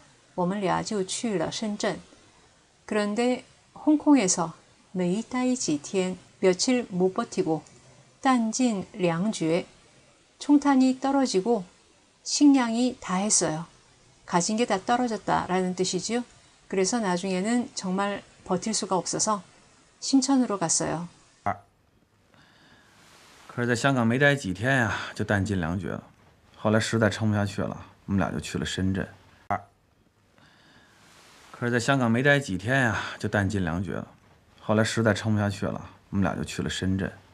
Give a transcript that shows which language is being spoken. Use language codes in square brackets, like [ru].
[zh] 可是我在香港没待几天就弹尽粮绝了。后来实在撑不下去了，我们俩就去了深圳。 [ko] 그런데 홍콩에서 [zh] 没待几天 [ko] 며칠 못 버티고 [zh] 弹尽粮绝 [ko] 총탄이 떨어지고 식량이 다 했어요. 가진 게다 떨어졌다라는 뜻이지요. 그래서 나중에는 정말 버틸 수가 없어서 신천으로 갔어요. [zh] 可是在香港没待几天呀，就弹尽粮绝了。后来实在撑不下去了，我们俩就去了深圳。可是在香港没待几天呀，就弹尽粮绝了。后来实在撑不下去了，我们俩就去了深圳。